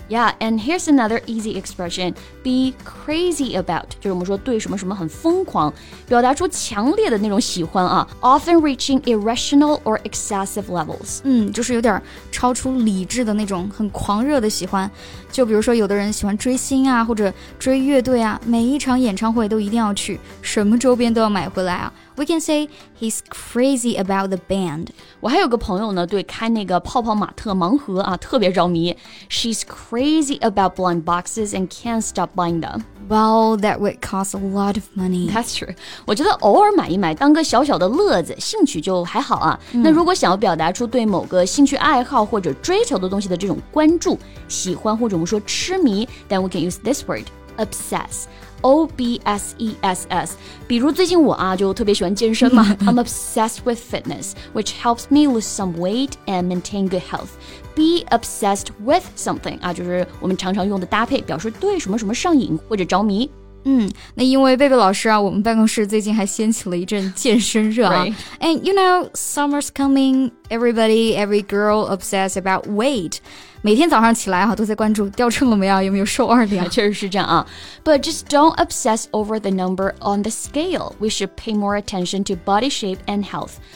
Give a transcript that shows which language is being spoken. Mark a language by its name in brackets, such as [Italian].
[English] Yeah, and here's another easy expression, be crazy about, [Chinese] 就是我们说对什么什么很疯狂，表达出强烈的那种喜欢啊， [English] often reaching irrational or excessive levels. [Chinese] 嗯，就是有点超出理智的那种很狂热的喜欢，就比如说有的人喜欢追星啊，或者追乐队啊，每一场演唱会都一定要去，什么周边都要买回来啊。 [English] We can say he's crazy about the band. [Chinese] 我还有个朋友呢，对开那个泡泡玛特盲盒啊，特别着迷。 [English] She's crazy about blind boxes and can't stop buying them. Well, that would cost a lot of money. That's true. [Chinese] 我觉得偶尔买一买，当个小小的乐子，兴趣就还好啊。那如果想要表达出对某个兴趣爱好或者追求的东西的这种关注、喜欢，或者我们说痴迷 ， [English] then we can use this word. Obsess, O-B-S-E-S-S. [Chinese] 比如最近我啊就特别喜欢健身嘛。 [English] I'm obsessed with fitness, which helps me lose some weight and maintain good health. Be obsessed with something [Chinese] 啊，就是我们常常用的搭配，表示对什么什么上瘾或者着迷。那因为贝贝老师啊，我们办公室最近还掀起了一阵健身热啊。 [English] Right. And you know, summer's coming, everybody, every girl obsessed about weight. [Chinese] 每天早上起来啊，都在关注掉秤了没啊，有没有瘦二两。确实是这样啊。 [English] But just don't obsess over the number on the scale. We should pay more attention to body shape and health.